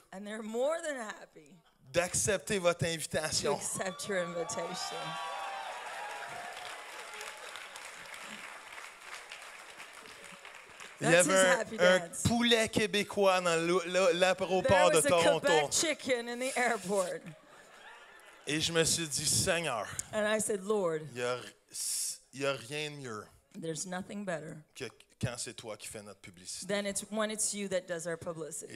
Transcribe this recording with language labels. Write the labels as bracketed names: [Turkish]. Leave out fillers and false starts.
[English] and they're more than happy, [French] d'accepter votre invitation. [English] To accept your invitation. [French] Il y avait un poulet québécois dans l'aéroport de Toronto. [English] There was a Quebec chicken in the airport. [French] Et je me suis dit, Seigneur, [English] and I said, Lord, [French] y a rien de mieux. [English] There's nothing better. [French] Que quand c'est toi qui fais notre publicité. [English] Then it's when it's you that does our publicity.